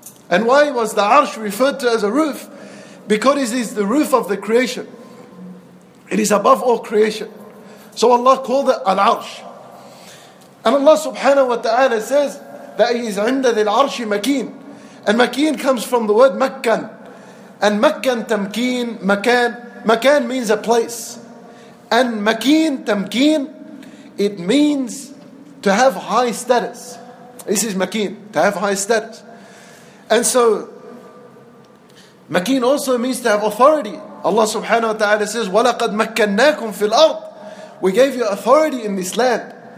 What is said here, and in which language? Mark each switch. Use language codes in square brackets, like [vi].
[en] And why was the arsh referred to as a roof? Because it is the roof of the creation. It is above all creation. So Allah called it an arsh. And Allah subhanahu wa ta'ala says that he is [ar] عند ذي العرش مكين. [en] And مكين comes from the word مكان. [ar] And مكان تمكين, مكان. [en] مكان means a place. And مكين تمكين, it means to have high status. This is Makin, to have high status. And so, Makin also means to have authority. Allah subhanahu wa ta'ala says, [ar] وَلَقَدْ مَكَّنَّاكُمْ فِي الْأَرْضِ. [en] We gave you authority in this land.